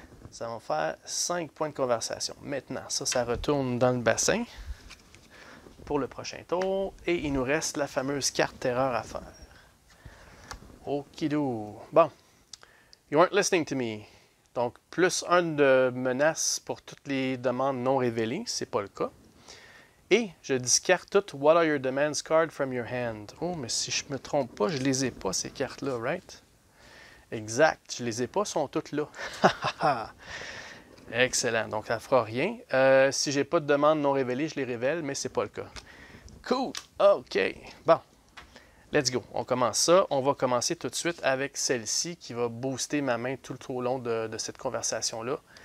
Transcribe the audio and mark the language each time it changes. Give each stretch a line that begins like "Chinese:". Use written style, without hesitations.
French: Ça va faire 5 points de conversation. Maintenant, ça retourne dans le bassin pour le prochain tour. Et il nous reste la fameuse carte terreur à faire. Okidou. Bon.
English: You weren't listening to me.
French: Donc, plus un de menace pour toutes les demandes non révélées, c'est pas le cas. Et je discarde toutes
English: What are your demands card from your hand?
French: Oh, mais si je me trompe pas, je les ai pas, ces cartes-là, right? Exact, je les ai pas, sont toutes là. Excellent, donc ça fera rien. Si j'ai pas de demande non révélée, je les révèle, mais c'est pas le cas. Cool, ok, bon. Let's go. On commence ça. On va commencer tout de suite avec celle-ci qui va booster ma main tout au long de cette conversation-là.